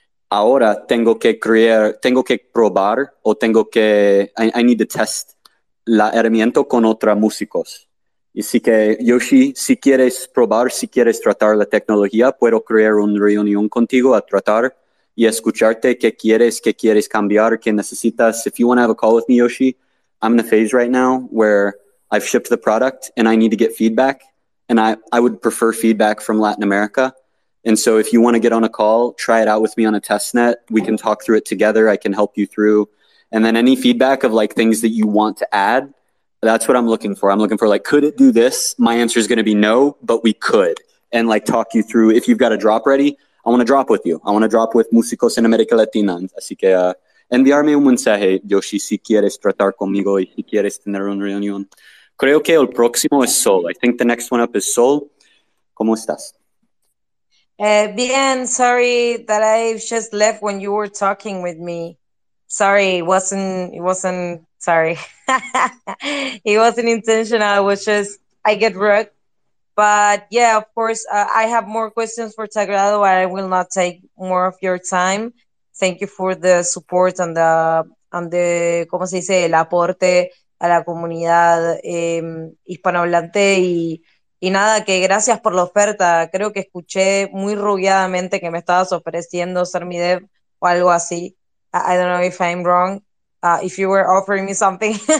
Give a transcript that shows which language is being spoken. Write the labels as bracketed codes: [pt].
[es] Ahora tengo que crear, tengo que probar o tengo que, [en] I need to test [es] la herramienta con otra músicos. Y así que, Yoshi, si quieres probar, si quieres tratar la tecnología, puedo crear una reunión contigo a tratar y escucharte qué quieres cambiar, qué necesitas. [en] If you want to have a call with me, Yoshi, I'm in a phase right now where I've shipped the product and I need to get feedback. And I would prefer feedback from Latin America. And so if you want to get on a call, try it out with me on a testnet. We can talk through it together. I can help you through. And then any feedback of like things that you want to add, that's what I'm looking for. I'm looking for like, could it do this? My answer is going to be no, but we could. And like talk you through if you've got a drop ready. I want to drop with you. I want to drop with Músicos en América Latina. [es] Así que enviarme un mensaje, Yoshi, si quieres tratar conmigo y si quieres tener una reunión. Creo que el próximo es Sol. I think the next one up is Sol. ¿Cómo estás? [en] Bien, sorry that I just left when you were talking with me. Sorry, it wasn't intentional. It was just, I get rude. But yeah, of course, I have more questions for Sagrado, but I will not take more of your time. Thank you for the support and the [es] ¿cómo se dice? El aporte a la comunidad hispanohablante y nada, que gracias por la oferta. Creo que escuché muy rugiadamente que me estabas ofreciendo ser mi dev o algo así. [en] I don't know if I'm wrong, if you were offering me something.